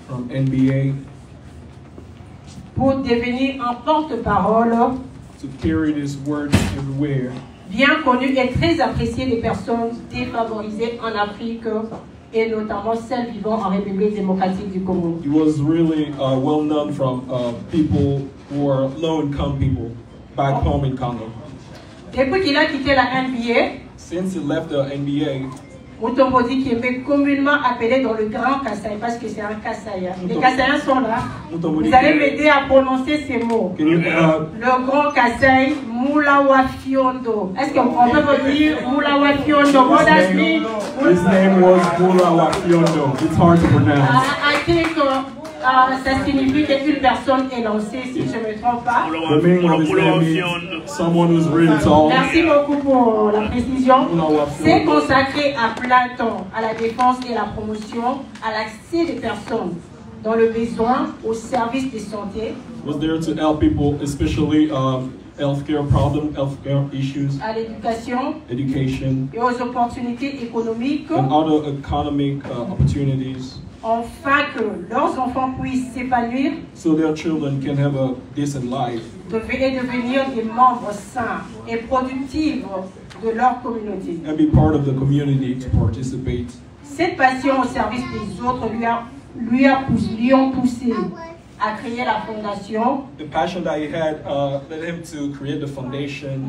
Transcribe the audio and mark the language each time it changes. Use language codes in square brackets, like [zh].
[en] From NBA. [fr] Pour devenir un porte-parole. [en] To carry this word everywhere. [fr] Bien connu et très apprécié des personnes défavorisées en Afrique. Et notamment celles vivant en République démocratique du Congo. [en] He was really well known from people who are low-income people back home in Congo. [fr] Depuis qu'il a quitté la NBA, [en] since he left the NBA, [fr] Mutombo Dikembe, communément appelé dans le Grand Kasaï, parce que c'est un Kasaïen. Les Kasaïens sont là. Vous allez m'aider à prononcer ces mots. Le Grand Kasaï, Mulawa Fiondo. Est-ce qu'on peut vous dire Mulawa Fiondo? [en] What does it mean? His name was Mulawa Fiondo. It's hard to pronounce. I think [fr] Ça signifie qu'une personne est lancée, si je ne me trompe pas. [en] The main one is there means someone who's really tall. [fr] Merci beaucoup pour la précision. C'est consacré à plein temps, à la défense et à la promotion, à l'accès des personnes dans le besoin au service de santé. [en] Was there to help people, especially healthcare problem, healthcare issues, [fr] à l'éducation, [en] education, [fr] et aux opportunités économiques, [en] and other economic opportunities, [fr] afin que leurs enfants puissent s'épanouir, [en] so their children can have a decent life, [fr] devenir des membres sains et productifs de leur communauté, [en] and be part of the community to participate. [fr] Cette passion au service des autres lui a poussé. À créer la fondation. [en] The passion that he had led him to create the foundation.